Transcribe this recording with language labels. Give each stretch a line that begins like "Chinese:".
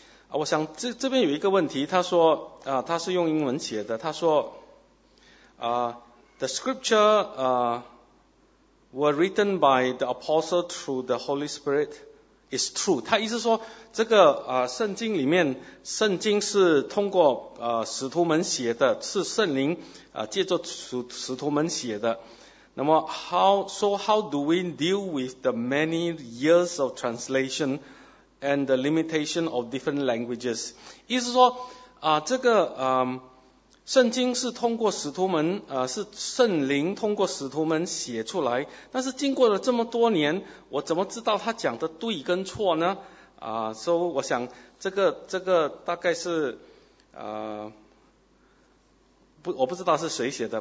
Chinese: 我想这边有一个问题，他说他是用英文写的，他说
English: The scripture were written by the apostle through the Holy Spirit. is true，
Chinese: 他意思说这个圣经里面，圣经是通过使徒们写的，是圣灵借着使徒们写的。那么
English: how do we deal with the many years of translation and the limitation of different languages？
Chinese: 意思说这个圣经是通过使徒们是圣灵通过使徒们写出来，但是经过了这么多年，我怎么知道他讲的对跟错呢？所以我想这个大概是我不知道是谁写的。